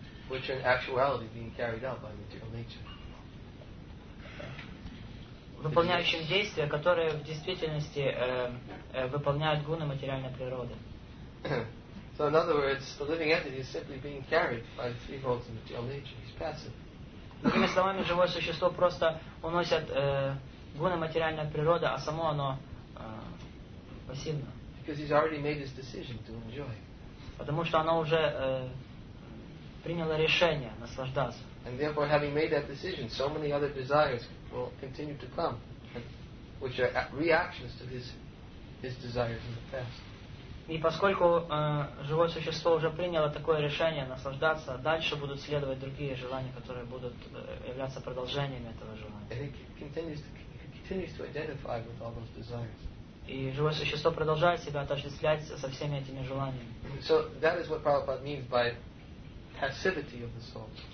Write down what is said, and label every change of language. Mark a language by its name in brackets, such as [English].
[English] Which in actuality being carried out by material nature. [Russian] Выполняющим действия, которые в действительности выполняют гуны материальной природы. [English] So in other words, the living entity is simply being carried by the three modes of material nature. He's passive. [Russian] Другими словами, живое существо просто уносят гуны материальной природы, а само оно пассивно. [English] Because he's already made his decision to enjoy. [Russian] Потому что оно уже приняло решение наслаждаться. [English] And therefore, having made that decision, so many other desires will continue to come, which are reactions to his desires in the past. [Russian] И поскольку живое существо уже приняло такое решение наслаждаться, дальше будут следовать другие желания, которые будут являться продолжением этого желания. И живое существо продолжает себя отождествлять со всеми этими желаниями. [English] So that is what Prabhupada means by passivity of the soul.